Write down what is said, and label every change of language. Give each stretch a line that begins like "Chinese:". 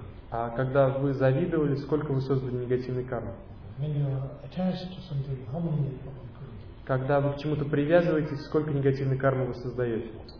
Russian: А когда вы завидовали, сколько вы создали негативной кармы?
English: When you are attached to something, how many negative karma you create?
Russian: Когда вы к чему-то привязываетесь, сколько негативной кармы вы создаете?